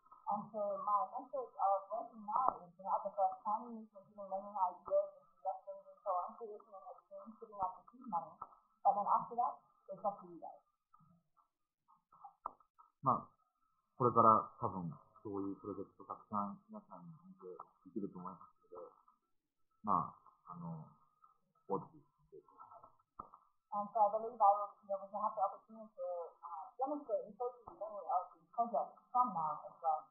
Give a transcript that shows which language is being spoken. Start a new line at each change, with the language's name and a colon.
English: And so, my message of working now is, you know, at the first time, you can see many ideas and suggestions and so on, so you can have a team, putting up the team money, but then after that, it's up to you guys.
Japanese: まあ、これから多分、そういうプロジェクトたくさん皆さんにできると思いますので、まあ、ウォッチしてください。
English: And so I believe I will be able to have the opportunity to demonstrate and show you many of these projects from now as well.